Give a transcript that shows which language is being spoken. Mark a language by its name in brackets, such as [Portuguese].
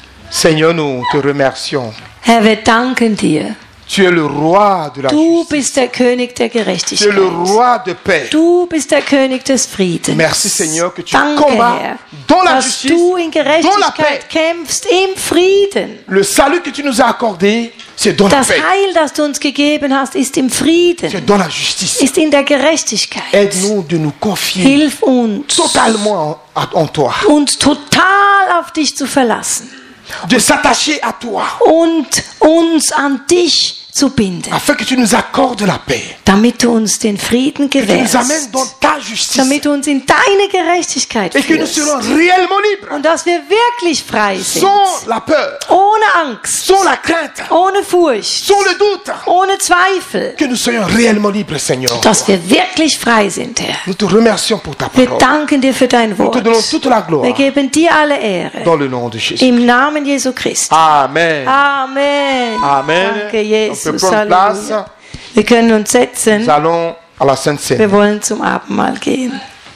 [French] Seigneur, nous te remercions. [German] Herr, wir danken dir. [French] Tu es le roi de la [German] du [French] justice. [German] Bist der König der Gerechtigkeit. [French] Tu es le roi de paix. [German] Du bist der König des Friedens. [French] Merci, Seigneur, que tu [German] Danke, [French] combats [German] Herr, [French] dans [German] dass [French] la justice, [German] du in Gerechtigkeit kämpfst, im Frieden. [French] Le salut que tu nous as accordé, c'est dans [German] das [French] la paix. [German] Heil, das du uns gegeben hast, ist im Frieden. [French] C'est dans la justice. [German] Ist in der Gerechtigkeit. [French] Aide-nous de nous confier [German] Hilf uns, [French] totalement en toi. [German] Uns total auf dich zu verlassen. [French] De s'attacher à toi. [German] Und uns an dich zu binden. [French] Afin que tu nous accordes la paix. [German] Damit du uns den Frieden gewährst. [French] Que tu nous amènes dans ta justice. [German] Damit du uns in deine Gerechtigkeit führst. [French] Et que nous serons réellement libres. [German] Und dass wir wirklich frei sind. [French] Sans la peur. [German] Ohne Angst. [French] Sans la crainte. [German] Ohne Furcht. [French] Sans le doute. [German] Ohne Zweifel. [French] Que nous soyons réellement libres, Seigneur. [German] Dass wir wirklich frei sind, Herr. [French] Nous te remercions pour ta parole. [German] Wir danken dir für dein Wort. [French] Nous te donnons toute la gloire. [German] Wir geben dir alle Ehre. [French] Dans le nom de Jésus. [German] Im Namen Jesu Christi. Amen. Amen. Amen. Danke, Jesus. [French] On peut prendre place. [German] Wir können uns setzen. [French] Nous allons à la Sainte-Cène. [German] Wir wollen zum Abendmahl gehen.